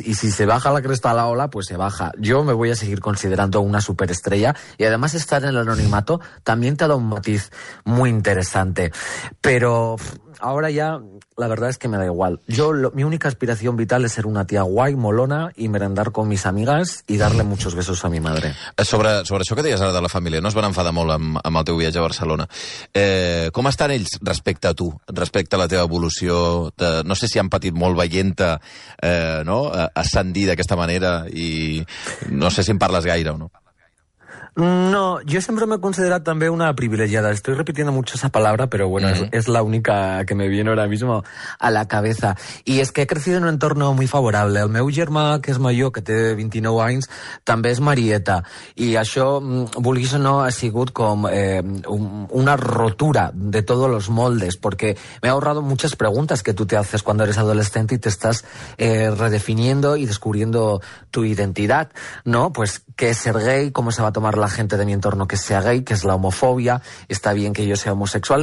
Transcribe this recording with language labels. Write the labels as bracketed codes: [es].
[es] Y si se baja la cresta a la ola, pues se baja. Yo me voy a seguir considerando una superestrella y además estar en el anonimato también te da un matiz muy interesante. Pero ahora ya la verdad es que me da igual. Yo, mi única aspiración vital es ser una tía guay, molona y merendar con mis amigas y darle muchos besos a mi madre. [ca] Sobre això que deies ara de la família, no es van enfadar molt amb el teu viatge a Barcelona. Com estan ells respecte a tu, respecte a la teva evolució? No sé si han patit molt veient-te, ascendir d'aquesta manera i no sé si en parles gaire o no. [es] No, yo siempre me he considerado también una privilegiada. Estoy repitiendo mucho esa palabra, pero bueno, es la única que me viene ahora mismo a la cabeza. Y es que he crecido en un entorno muy favorable. [ca] El meu germà, que es mayor, que té 29 anys, també és marieta. I això, vulguis o no, ha sigut com una rotura [es] de todos los moldes, porque me ha ahorrado muchas preguntas que tú te haces cuando eres adolescente y te estás redefiniendo y descubriendo tu identidad, ¿no? Pues, ¿qué es ser gay? ¿Cómo se va a tomar la gente de mi entorno que sea gay, que es la homofobia, está bien que yo sea homosexual?